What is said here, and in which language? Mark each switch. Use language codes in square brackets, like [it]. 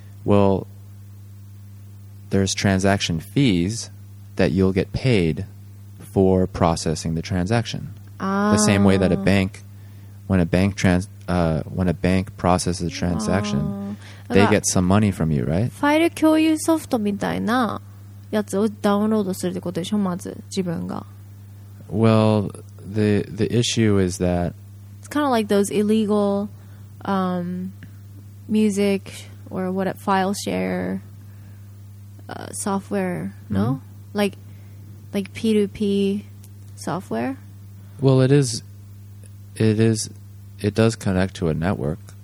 [en] Well, there's transaction fees that you'll get paid for processing the transaction. Ah. The same way that a bank, when a bank processes a transaction, they get some money from you, right? [ja] File 共有ソフトみたいなやつをダウンロードするってことでしょ、まず自分が。 [en] Well, the issue is that it's kind of like those illegal music or what, file share software, no? Like P2P software? Well, it is, it does connect to a network.